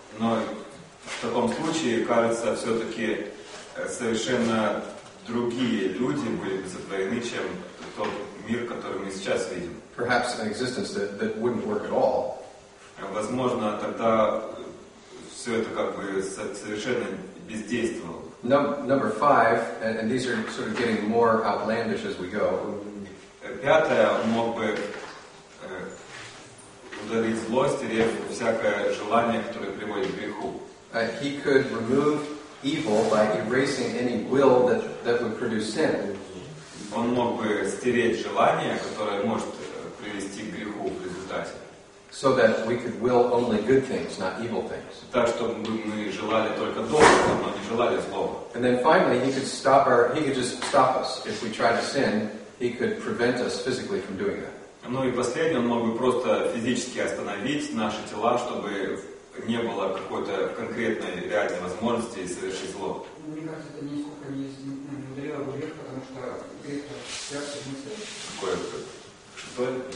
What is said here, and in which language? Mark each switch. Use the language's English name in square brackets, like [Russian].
[Russian] Но в таком случае, кажется, все-таки совершенно другие люди были бы сотворены, чем тот мир, который мы сейчас видим. [English] Perhaps an existence that wouldn't work at all. [Russian] Возможно, тогда все это как бы совершенно бездействовало. [English] Number five, and these are sort of getting more outlandish as we go. [Russian] Пятое, мог бы удалить злость или всякое желание, которое приводит к греху. [English] He could remove evil by erasing any will that would produce sin. [Russian] Он мог бы стереть желание, которое может привести к греху в результате. [English] So that we could will only good things, not evil things. [Russian] Так, чтобы мы желали только доброго, но не желали злого. [English] And then finally, he could just stop us. If we try to sin, he could prevent us physically from doing that. [Russian] Ну и последнее, он мог бы просто физически остановить наши тела, чтобы не было какой-то конкретной реальной возможности совершить зло. Мне кажется, это несколько не